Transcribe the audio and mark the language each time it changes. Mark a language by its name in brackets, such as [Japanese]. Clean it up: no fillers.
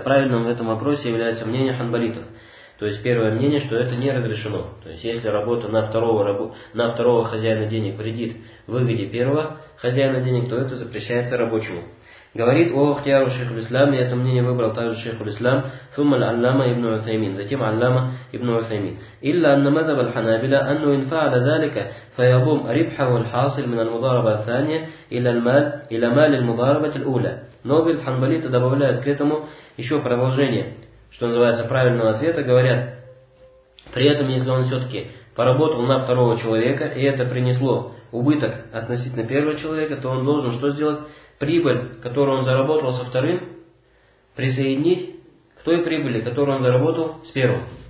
[Russian] Правильным в этом вопросе является мнение ханбалитов. То есть первое мнение, что это не разрешено. То есть если работа на второго хозяина денег вредит выгоде первого хозяина денег, то это запрещается рабочему. Говорит Охтияру шейху ль-Ислам, и это мнение выбрал также шейху ль-Ислам, [Arabic] ثم العلامة ابن عثيمين, [Russian] затем [Arabic] علامة ابن عثيمين. إلا أن مذهب الحنابلة أنه إن فعل ذلك فيضم ربحه الحاصل من المضاربة الثانية إلى مال المضاربة الأولى. [Russian] Но ханбалиты добавляют к этому еще продолжение, что называется, правильного ответа, говорят, при этом, если он все-таки поработал на второго человека, и это принесло убыток относительно первого человека, то он должен что сделать? прибыль, которую он заработал со вторым, присоединить к той прибыли, которую он заработал с первым.